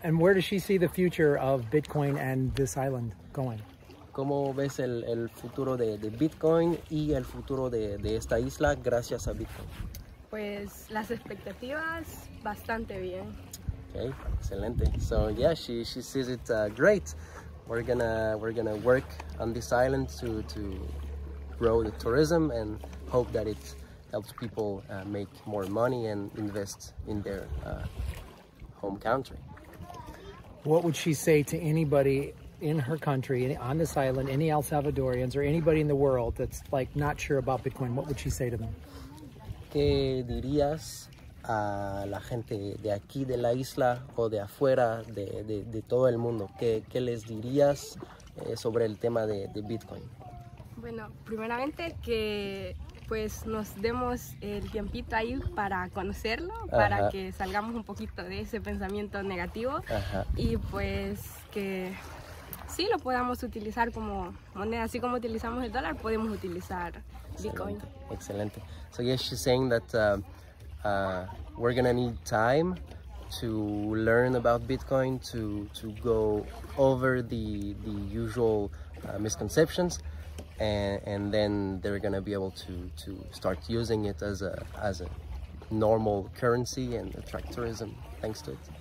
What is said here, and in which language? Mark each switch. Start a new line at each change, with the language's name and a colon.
English: And where does she see the future of Bitcoin and this island going?
Spanish: ¿Cómo ves el futuro de Bitcoin y el futuro de esta isla gracias a Bitcoin? Pues las expectativas, bastante bien. Okay, excelente.
English: So yeah, she sees it great. We're gonna work on this island to grow the tourism, and hope that it helps people make more money and invest in their home country. What would she say to anybody in her country, on this island, any El Salvadorians or anybody in the world that's like not sure about Bitcoin? What would she say to them?
Spanish: ¿Qué dirías a la gente de aquí de la isla o de afuera de todo el mundo? ¿Qué les dirías sobre el tema de Bitcoin? Bueno, primeramente que pues nos demos el tiempito ahí para conocerlo, para que salgamos un poquito de ese pensamiento negativo. Y pues que sí lo podamos utilizar como moneda, así como utilizamos el dólar, podemos utilizar Bitcoin. Excelente.
English: So yes, she's saying that we're gonna need time to learn about Bitcoin, to go over the usual misconceptions, and then they're gonna be able to start using it as a normal currency and attract tourism thanks to it.